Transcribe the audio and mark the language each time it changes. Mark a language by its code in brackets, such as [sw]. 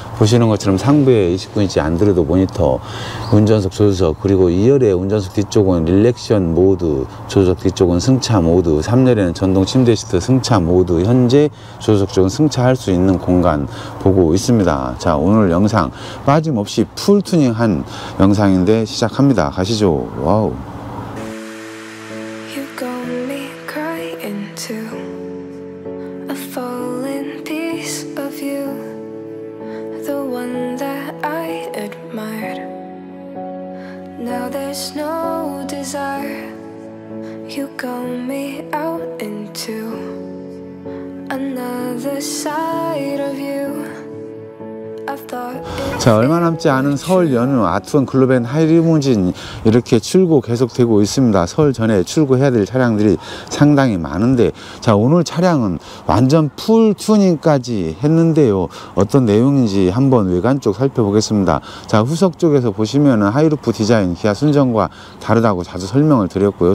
[ko] 보시는 것처럼 상부에 19인치 안드로이드 모니터, 운전석 조수석, 그리고 2열의 운전석 뒤쪽은 릴렉션 모드, 조수석 뒤쪽은 승차 모드, 3열에는 전동 침대 시트 승차 모드, 현재 조수석 쪽은 승차할 수 있는 공간 보고 있습니다. 자, 오늘 영상 빠짐없이 풀 튜닝한 영상인데 시작합니다. 가시죠. 와우. [en] You got me crying to a fallen piece of you, the one that I admired. Now there's no desire. You got me out into another side of you. [ko] 자, 얼마 남지 않은 설 연휴 아트원 글로벤 하이리무진 이렇게 출고 계속되고 있습니다. 설 전에 출고해야 될 차량들이 상당히 많은데, 자, 오늘 차량은 완전 풀 튜닝까지 했는데요. 어떤 내용인지 한번 외관 쪽 살펴보겠습니다. 자, 후석 쪽에서 보시면 하이루프 디자인, 기아 순정과 다르다고 자주 설명을 드렸고요.